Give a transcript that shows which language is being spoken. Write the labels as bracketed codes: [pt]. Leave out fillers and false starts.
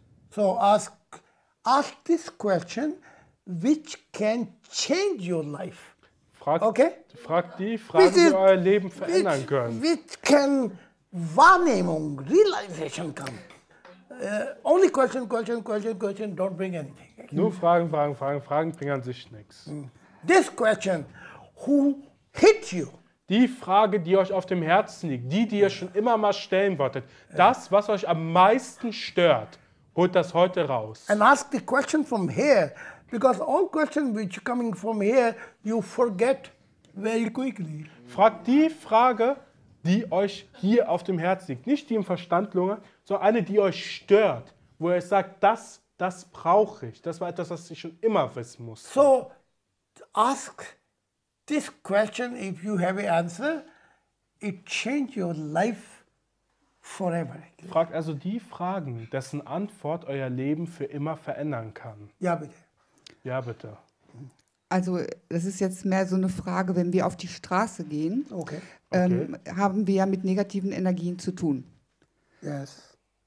[en] So ask this question, which can change your life. [de] Frag die Frage, die euer Leben verändern können. [en] Which can Wahrnehmung, Realization come? Only question, don't bring anything. [de] Nur Fragen bringen an sich nichts. [en] This question, who hit you? [de] Die Frage, die euch auf dem Herzen liegt, die ihr schon immer mal stellen wolltet, das, was euch am meisten stört, holt das heute raus. [en] And ask the question from here, because all questions which coming from here, you forget very quickly. [de] Fragt die Frage, die euch hier auf dem Herzen liegt, nicht die im Verstand lungert, sondern eine, die euch stört, wo ihr sagt, das brauche ich. Das war etwas, was ich schon immer wissen musste. [en] So, ask this question, if you have an answer, it changes your life forever. [de] Fragt also die Fragen, dessen Antwort euer Leben für immer verändern kann. Ja, bitte. Ja, bitte. Also, das ist jetzt mehr so eine Frage, wenn wir auf die Straße gehen, [en] okay. [de] Haben wir ja mit negativen Energien zu tun. [en] Yes.